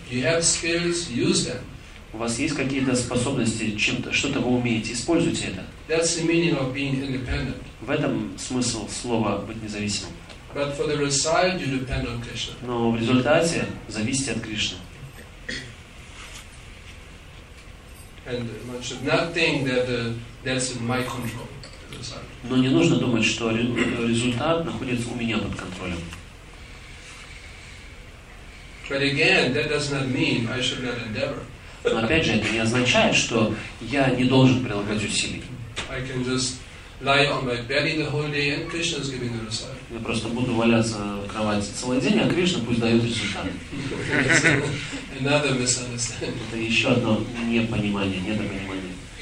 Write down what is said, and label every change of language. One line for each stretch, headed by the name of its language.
English: You have skills, use them.
Russian: У вас есть какие-то способности, чем-то, что-то вы умеете, используйте это.
English: That's the meaning of being independent.
Russian: В этом смысл слова быть независимым.
English: But for the result, you depend on Krishna.
Russian: Но в результате зависите от Кришны.
English: And one should not think that's in my control.
Russian: Но не нужно думать, что результат находится у меня под контролем.
English: But again, that does not mean I should not endeavor.
Russian: Но опять же, это не означает, что я не должен прилагать усилий.
English: I can just lie on my belly the whole day and Krishna is giving the result.
Russian: Я просто буду валяться в кровати целый день, а Кришна пусть дает результаты.
English: Another misunderstanding.
Russian: Это еще одно непонимание, недопонимание.